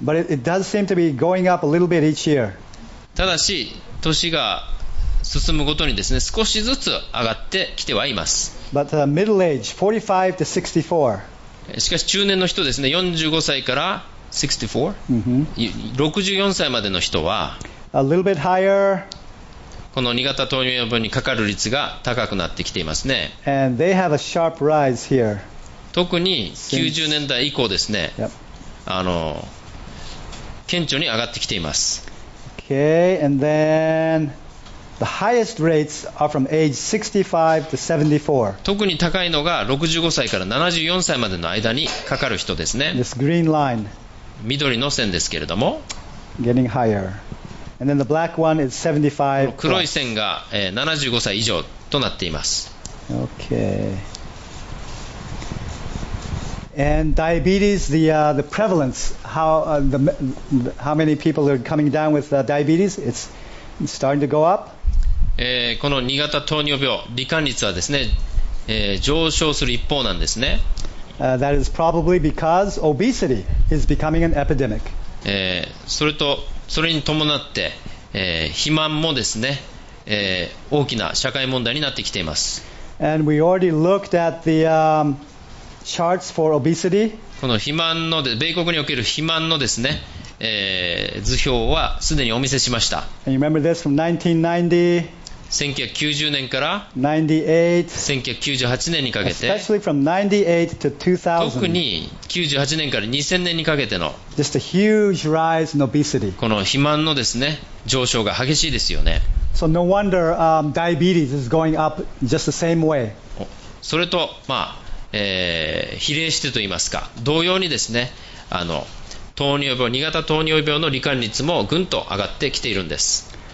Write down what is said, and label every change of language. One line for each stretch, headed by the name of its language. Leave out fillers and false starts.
English: But it does seem to be going up a little bit each year.
Japanese: ただし、年が進むごとにですね、少しずつ上がってきてはいます。
English: But the middle age, 45 to 64.
Japanese: しかし中年の人ですね、45歳から64? Mm-hmm. 64歳までの人は、
English: a little bit higher.
Japanese: この2型糖尿病にかかる率が高くなってきていますね。
English: And they have a sharp rise here.
Japanese: 特に90年代以降ですね、顕著に上がってきています。
English: Okay, and then the highest rates are from age 65 to 74.
Japanese: 特に高いのが65歳から74歳までの間にかかる人ですね。
English: This green line.
Japanese: 緑の線ですけれども。
English: Getting higher. And then the black one is 75
Japanese: plus. 黒い線が、75歳以上となっています。
English: Okay. And diabetes, the prevalence, how many people are coming down with diabetes? It's starting to go up.、
Japanese: この2型糖尿病、罹患率はですね、上昇する一方なんですね。
English: That is probably because obesity is becoming an epidemic.、
Japanese: それとそれに伴って、肥満もですね、大きな社会問題になってきています。
English: And we already looked at the, charts for obesity.
Japanese: この肥満の米国における肥満のですね、図表はすでにお見せしました。
English: And you remember this from 1990?
Japanese: 1990年から1998年にかけて、
English: especially from 98 to 2000,
Japanese: 特に98年から2000年にかけての
English: just a huge rise in obesity.
Japanese: この肥満のですね、上昇が激しいですよね。
English: So no wonder, diabetes is going up just the same way.
Japanese: それと、まあ比例してといいますか、同様にですね、あの糖尿病、2型糖尿病の罹患率もぐんと上がってきているんです。